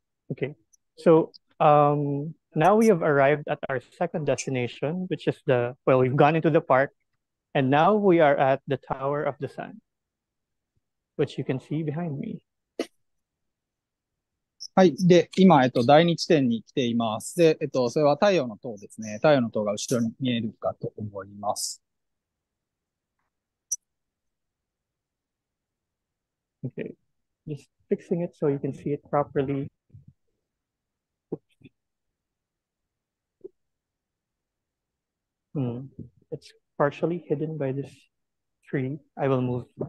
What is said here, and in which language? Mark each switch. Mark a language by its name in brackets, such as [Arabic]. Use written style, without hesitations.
[English] Okay, so now we have arrived at our second destination, which is the, well, we've gone into the park, and now we are at the Tower of the Sun, which you can see behind me. [Japanese] はい、で、今、第二地点に来ています。で、それは太陽の塔ですね。太陽の塔が後ろに見えるかと思います。 [English] Okay, just fixing it so you can see it properly. It's partially hidden by this tree. I will move.